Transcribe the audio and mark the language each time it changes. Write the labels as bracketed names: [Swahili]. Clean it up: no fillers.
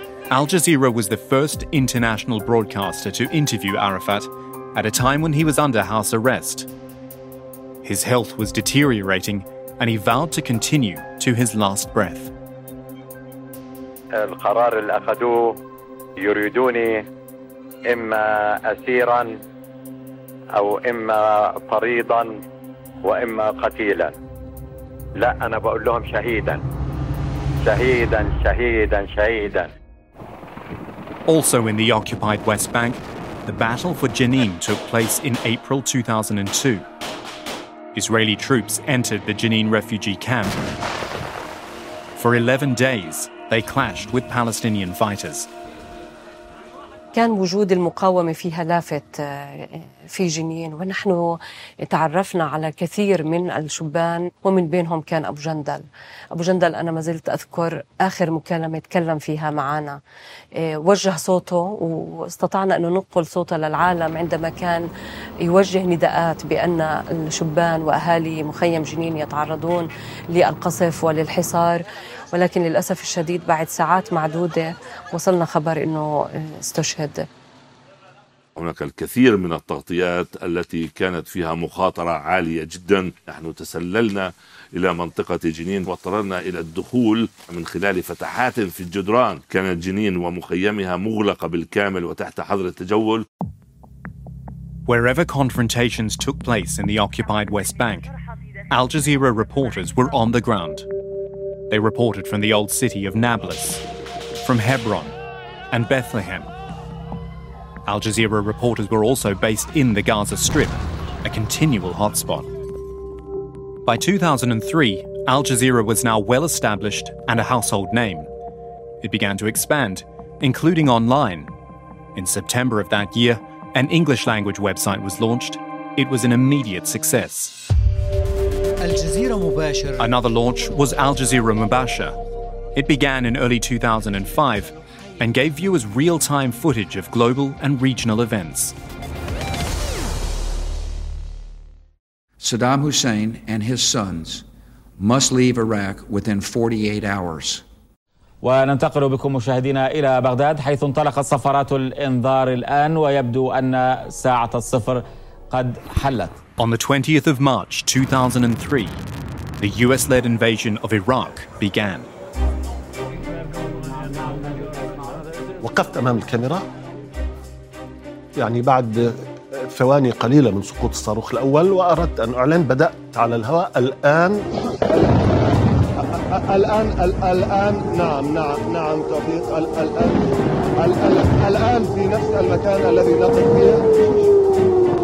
[English] Al Jazeera was the first international broadcaster to interview Arafat at a time when he was under house arrest. His health was deteriorating and he vowed to continue to his last breath. [Arabic] القرار اللي أخذوه يريدوني إما أسيرا أو إما فريضا وإما قتيلا. لا أنا بقول لهم شهيدا شهيدا شهيدا شهيدا. [English] Also in the occupied West Bank, the battle for Jenin took place in April 2002. Israeli troops entered the Jenin refugee camp. For 11 days, they clashed with Palestinian fighters. [Arabic] كان وجود المقاومة فيها لافت في جنين، ونحن تعرفنا على كثير من الشبان ومن بينهم كان أبو جندل. أبو جندل أنا ما زلت أذكر آخر مكالمة تكلم فيها معنا، وجه صوته واستطعنا أن ننقل صوته للعالم عندما كان يوجه نداءات بأن الشبان وأهالي مخيم جنين يتعرضون للقصف وللحصار، ولكن للأسف الشديد بعد ساعات معدودة وصلنا خبر أنه استشهد. هناك الكثير من التغطيات التي كانت فيها مخاطرة عالية جدا. نحن تسللنا إلى منطقة جنين واضطررنا إلى الدخول من خلال فتحات في الجدران. كانت جنين ومخيمها مغلقة بالكامل وتحت حظر التجول. [English] Wherever confrontations took place in the occupied West Bank, Al Jazeera reporters were on the ground. They reported from the old city of Nablus, from Hebron and Bethlehem. Al Jazeera reporters were also based in the Gaza Strip, a continual hotspot. By 2003, Al Jazeera was now well established and a household name. It began to expand, including online. In September of that year, an English language website was launched. It was an immediate success. Another launch was Al Jazeera Mubasha. It began in early 2005 and gave viewers real-time footage of global and regional events. Saddam Hussein and his sons must leave Iraq within 48 hours. [Arabic] وننتقل بكم مشاهدينا إلى بغداد، حيث انطلقت صفرات الإنذار الآن ويبدو أن ساعة الصفر قد حلت. [English] On the 20th of March 2003, the US-led invasion of Iraq began. [Arabic] وقفت أمام الكاميرا يعني بعد ثواني قليلة من سقوط الصاروخ الأول، وأردت أن أعلن بدأت على الهواء الآن. الآن الآن نعم نعم نعم تطبيق الآن الآن في نفس المكان الذي نقف فيه.